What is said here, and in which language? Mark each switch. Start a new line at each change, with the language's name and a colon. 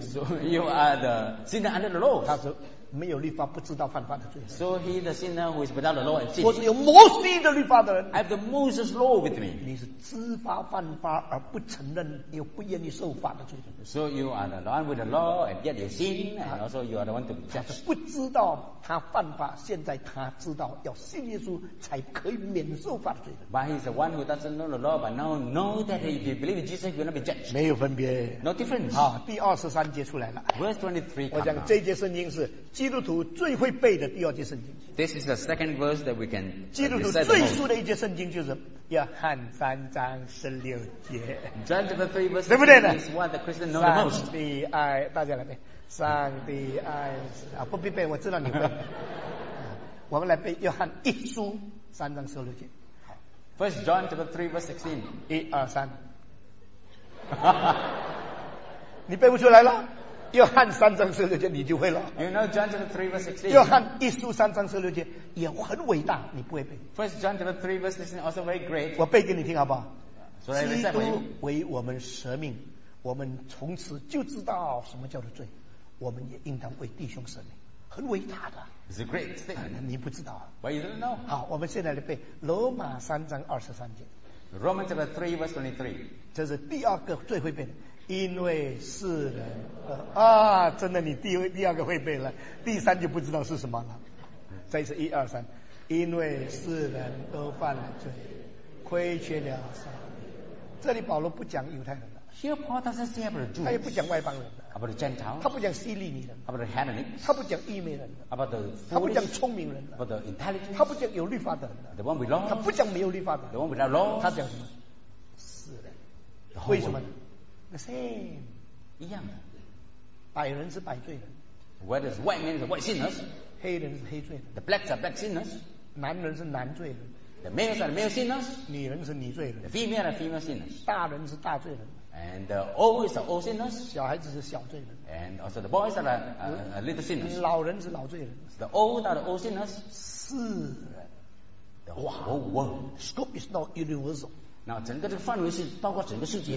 English: So you are the sinner under the law.
Chinese: 他是没有律法不知道犯法的罪人。
English: So he the sinner who is without the law and sin.
Chinese: 我是有摩西的律法的人。
English: I have the Moses law with me.
Chinese: 你是知法犯法而不承认又不愿意受法的罪人。
English: So you are the one with the law and yet you sin, and also you are the one to be judged.
Chinese: 他不知道他犯法，现在他知道要信耶稣才可以免受法的罪人。
English: But he is the one who doesn't know the law, but now know that if you believe in Jesus, you will not be judged.
Chinese: 没有分别。
English: No difference.
Chinese: 好，第二十三节出来了。
English: Verse 23.
Chinese: 我讲这节圣经是基督徒最会背的第二节圣经。
English: This is the second verse that we can.
Chinese: 基督徒最熟的一节圣经就是约翰三章十六节。
English: John chapter 3 verse
Chinese: 对不对呢？
English: Is what the Christian know the most.
Chinese: 上帝爱大家来背。上帝爱啊，不必背，我知道你会。我们来背约翰一书三章十六节。
English: First John chapter 3 verse 16.
Chinese: 一二三。你背不出来了。约翰三章十六节你就会了。
English: You know John chapter 3 verse 16.
Chinese: 约翰一书三章十六节也很伟大，你不会背。
English: First John chapter 3 verse 16 also very great.
Chinese: 我背给你听好不好？
English: So I will say
Chinese: 基督为我们舍命，我们从此就知道什么叫做罪，我们也应当为弟兄舍命，很伟大的。
English: It's a great thing.
Chinese: 你不知道。
English: But you don't know.
Chinese: 好，我们现在来背罗马三章二十三节。
English: Romans chapter 3 verse 23.
Chinese: 这是第二个最会背的。因为世人啊，真的，你第二个会背了，第三就不知道是什么了。再次一二三，因为世人都犯了罪，亏缺了上帝。这里保罗不讲犹太人的。
English: Here Paul doesn't say about the Jews.
Chinese: 他也不讲外邦人的。
English: About the Gentiles.
Chinese: 他不讲希利尼人。
English: About the Hellenic.
Chinese: 他不讲异美人的。
English: About the foolish.
Chinese: 他不讲聪明人的。
English: About the intelligent.
Chinese: 他不讲有律法的人的。
English: The one with law.
Chinese: 他不讲没有律法的。
English: The one without law.
Chinese: 他讲什么？世人。为什么呢？
English: The same,
Chinese: 一样的。白人是白罪人。
English: Whether it's white men is white sinners.
Chinese: 黑人是黑罪人。
English: The blacks are black sinners.
Chinese: 男人是男罪人。
English: The males are male sinners.
Chinese: 女人是女罪人。
English: The female are female sinners.
Chinese: 大人是大罪人。
English: And the old is the old sinners.
Chinese: 小孩子是小罪人。
English: And also the boys are a little sinners.
Chinese: 老人是老罪人。
English: The old are the old sinners.
Chinese: 世人。
English: The whole world. The scope is not universal.
Chinese: 那整个这个范围是包括整个世界。